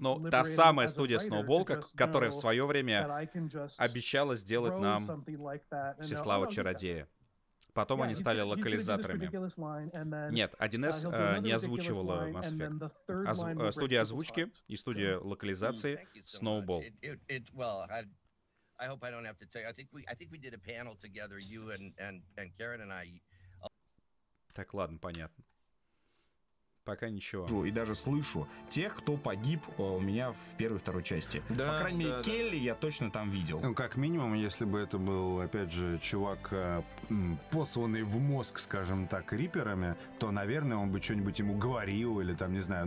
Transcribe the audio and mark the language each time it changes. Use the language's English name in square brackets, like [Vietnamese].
[Russian] Та самая студия Сноубол, которая в свое время обещала сделать нам Всеслава Чародея. Потом они стали локализаторами. Нет, 1С не озвучивала Mass Effect. Студия озвучки и студия локализации Сноубол. [English] I hope I don't have to tell you. I think we did a panel together, you and Karen and I. [Russian] Так, ладно, понятно. Пока ничего. И даже слышу тех, кто погиб у меня в первой и второй части. Да, по крайней мере, да, Келли да. Я точно там видел. Ну, как минимум, если бы это был, опять же, чувак, посланный в мозг, скажем так, риперами, то, наверное, он бы что-нибудь ему говорил или там, не знаю.